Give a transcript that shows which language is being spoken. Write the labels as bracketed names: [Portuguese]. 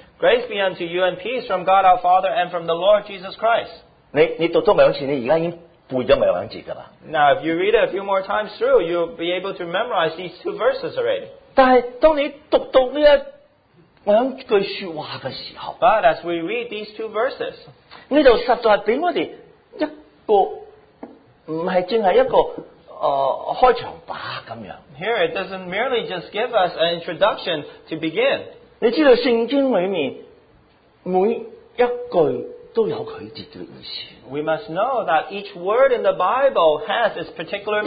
[English] Grace be unto you and peace from God our Father and from the Lord Jesus Christ. [Chinese] 你读多两次，你而家已经背咗两节噶啦。Now, [English] if you read it a few more times through, you'll be able to memorize these two verses already. [Chinese] 但系当你读到呢一两句说话嘅时候，But [English] as we read these two verses, [Chinese] 呢度实在俾我哋一个唔系净系一个开场白咁样。Here [English] it doesn't merely just give us an introduction to begin. [Chinese] 你知道圣经里面每一句都有佢自己嘅意思。We [English] must know that each word in the Bible has its particular meaning.